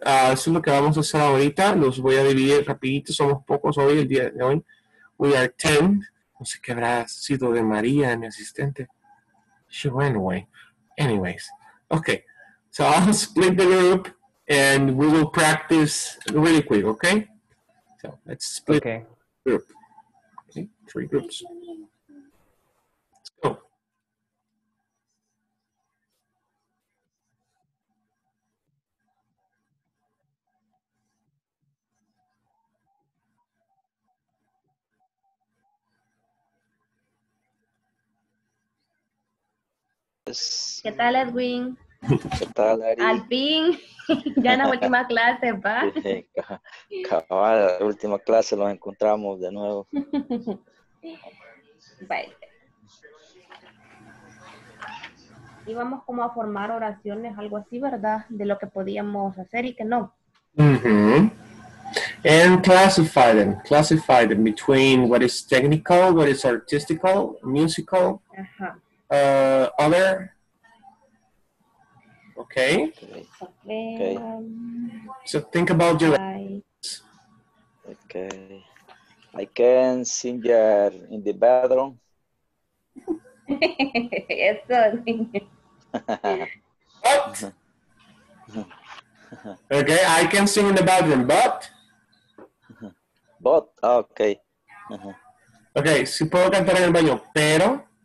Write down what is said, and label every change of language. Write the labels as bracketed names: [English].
[Spanish] Eso es lo que vamos a hacer ahorita. Los voy a dividir rapidito, somos pocos hoy, el día de hoy. [English] We are 10. [Spanish] No sé qué habrá sido de María, mi asistente. [English] She went away. Anyways, okay. So I'll split the group and we will practice really quick, okay? So let's split okay. Group. Okay, three groups. [Spanish] ¿Qué tal, Edwin? ¿Qué tal, Ari? Al fin, ya en la última clase, ¿va? Cabal, la última clase, nos encontramos de nuevo. [English] Bye. [Spanish] Íbamos como a formar oraciones, algo así, ¿verdad? De lo que podíamos hacer y que no. Mm-hmm. [English] And classify them between what is technical, what is artistical, musical. Ajá. Other? Okay. Okay. So think about your... I can sing there in the bedroom. Yes, but? Okay, I can sing in the bedroom, but? But, okay. [Spanish] Okay, si puedo cantar en el baño, pero...